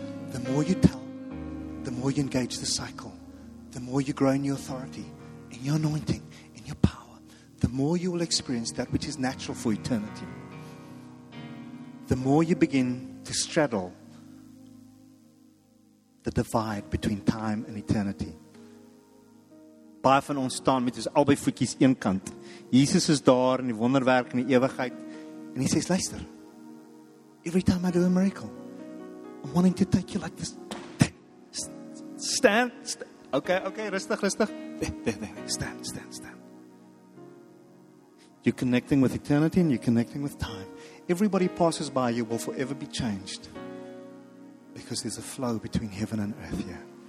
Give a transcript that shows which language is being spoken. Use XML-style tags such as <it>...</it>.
<en>The more you tell, the more you engage the cycle, the more you grow in your authority, in your anointing, in your power, the more you will experience that which is natural for eternity. The more you begin to straddle the divide between time and eternity.</en> <af>Baie van ons staan met ons albei voetjies een kant. Jesus is daar in die wonderwerk in die ewigheid. En hy sê, luister,</af> <en>every time I do a miracle, I'm wanting to take you like this. Stand. Okay, rustig. Stand. You're connecting with eternity and you're connecting with time. Everybody passes by you will forever be changed because there's a flow between heaven and earth here.</en>